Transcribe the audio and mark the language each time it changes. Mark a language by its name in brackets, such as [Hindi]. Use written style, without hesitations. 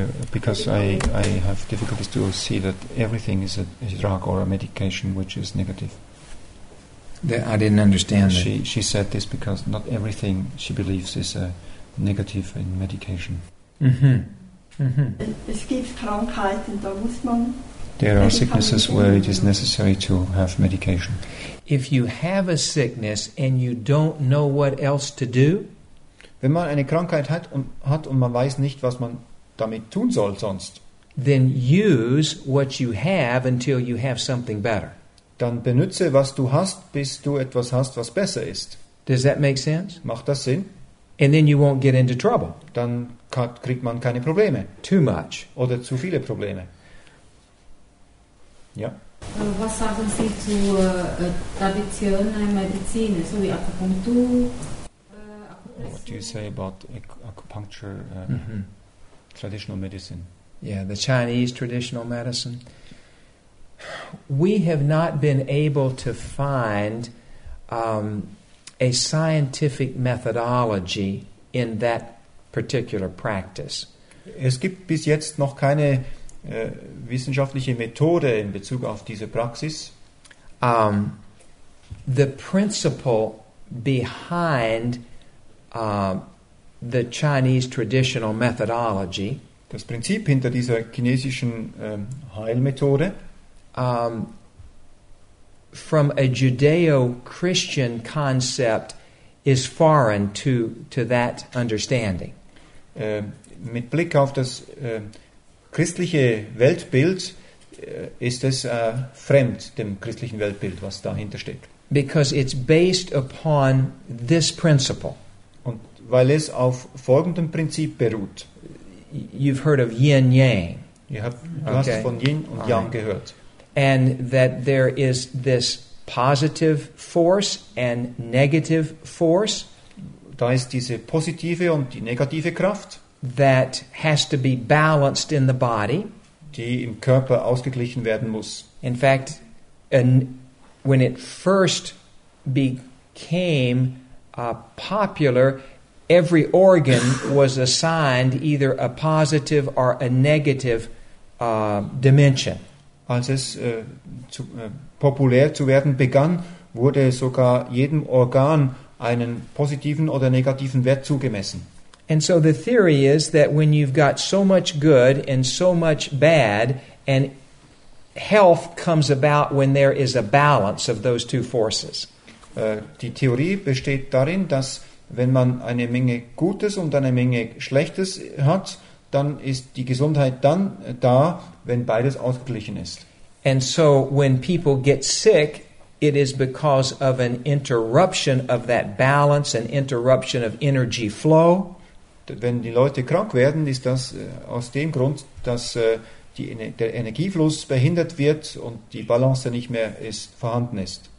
[English] Because I have difficulties to see that everything is a drug or a medication which is negative. I didn't understand. She said this because not everything she believes is a negative in medication. Mm-hmm. [German] Es gibt Krankheiten, da muss man. [English] There are sicknesses where it is necessary to have medication. If you have a sickness and you don't know what else to do, [German] wenn man eine Krankheit hat und man weiß nicht, was man damit tun soll sonst, [English] then use what you have until you have something better. [German] Dann benütze, was du hast, bis du etwas hast, was besser ist. [English] Does that make sense? [German] Macht das Sinn? [English] And then you won't get into trouble. [German] Dann kriegt man keine Probleme. [English] Too much. [German] Oder zu viele Probleme. Ja. Was sagen Sie zu traditioneller Medizin, so wie Akupunktur? [English] What do you say about acupuncture, traditional medicine? Yeah, the Chinese traditional medicine. We have not been able to find a scientific methodology in that particular practice. [German] Es gibt bis jetzt noch keine wissenschaftliche Methode in Bezug auf diese Praxis. [English] The principle behind the Chinese traditional methodology, [German] das Prinzip hinter dieser chinesischen Heilmethode, [English] from a Judeo-Christian concept is foreign to that understanding. [German] Mit Blick auf das christliche Weltbild ist es fremd dem christlichen Weltbild, was dahinter steckt. [English] Because it's based upon this principle. [German] Und weil es auf folgendem Prinzip beruht. [English] You've heard of yin yang. [German] Du hast von Yin und Yang gehört. [English] And that there is this positive force and negative force. [German] Da ist diese positive und die negative Kraft. [English] That has to be balanced in the body. [German] Die im Körper ausgeglichen werden muss. [English] In fact, when it first became popular, every organ was assigned either a positive or a negative dimension. [German] Als es populär zu werden begann, wurde sogar jedem Organ einen positiven oder negativen Wert zugemessen. [English] And so the theory is that when you've got so much good and so much bad, and health comes about when there is a balance of those two forces. [German] Die Theorie besteht darin, dass wenn man eine Menge Gutes und eine Menge Schlechtes hat, dann ist die Gesundheit dann da, wenn beides ausgeglichen ist. [English] And so when people get sick, it is because of an interruption of that balance, an interruption of energy flow. [German] Wenn die Leute krank werden, ist das aus dem Grund, dass der Energiefluss behindert wird und die Balance nicht mehr vorhanden ist.